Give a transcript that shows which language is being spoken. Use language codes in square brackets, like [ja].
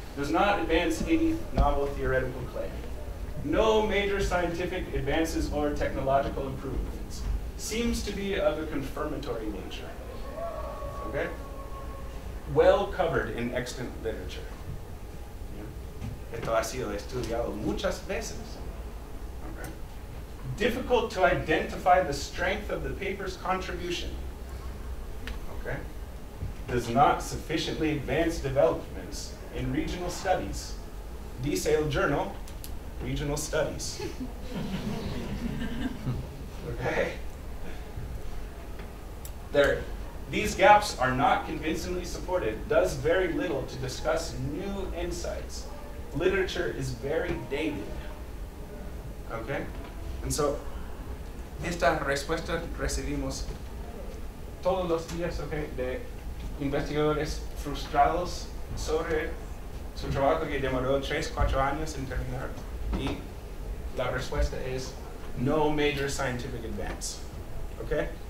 [en] Does not advance any novel theoretical claim. No major scientific advances or technological improvements. Seems to be of a confirmatory nature. Okay? Well covered in extant literature. Yeah. [es] Esto ha sido estudiado muchas veces. [en] Difficult to identify the strength of the paper's contribution. Okay. Does not sufficiently advance developments in regional studies. Desale Journal, Regional Studies. Okay. Third, these gaps are not convincingly supported. Does very little to discuss new insights. Literature is very dated. Okay. And so, [es] estas respuestas recibimos todos los días, okay, de investigadores frustrados sobre su trabajo que demoró 3-4 años en terminar, y la respuesta es [en] no major scientific advance. [es] Okay?